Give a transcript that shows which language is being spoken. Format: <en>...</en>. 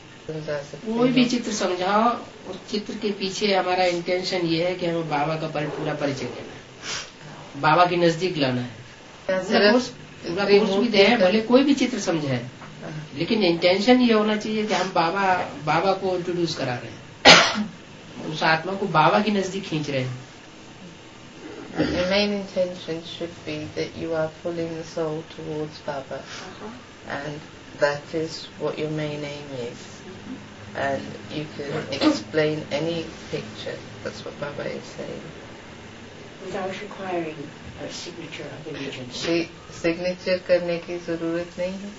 <hi>कोई भी चित्र समझाओ उस चित्र के पीछे हमारा इंटेंशन ये है कि हमें बाबा का पूरा परिचय देना है बाबा की नजदीक लाना है कोर्स भी दे भले कोई भी चित्र समझाए लेकिन इंटेंशन ये होना चाहिए कि हम बाबा को इंट्रोड्यूस करा रहे हैं उस आत्मा को बाबा की नजदीक खींच रहे हैं</hi> <en>The main intention should be that you are pulling the soul towards Baba and that is what your main aim is. And you can explain any picture. That's what Baba is saying. Without requiring a signature of allegiance. The signature</en> <hi>करने की ज़रूरत नहीं है.</hi>